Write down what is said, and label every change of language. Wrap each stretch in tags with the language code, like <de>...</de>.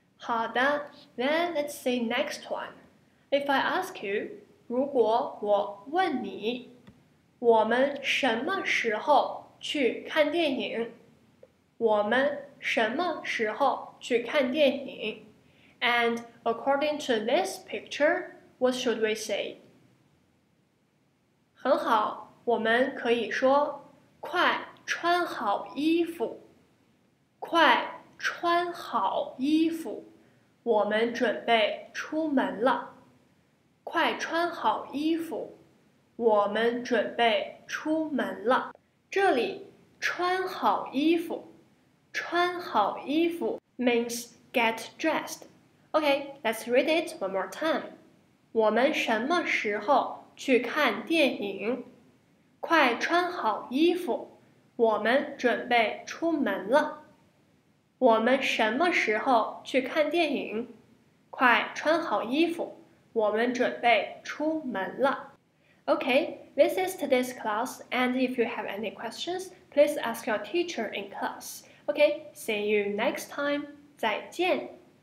<zh>好的，</zh> <en>then let's say next one. If I ask you,</en> <zh>如果我问你，我们什么时候去看电影？我们什么时候去看电影？</zh> <en>And according to this picture, what should we say?</en> <zh>很好，我们可以说快穿好衣服。快穿好衣服，我们准备出门了。快穿好衣服，我们准备出门了。这里穿好衣服，穿好衣服</zh> <en>means get dressed. Okay, let's read it one more time.</en> <zh>我们什么时候去看电影？快穿好衣服，我们准备出门了。我们什么时候去看电影？快穿好衣服，我们准备出门了。</zh> <en>Okay, this is today's class, and if you have any questions, please ask your teacher in class. Okay, see you next time.</en> <zh>再见.</zh>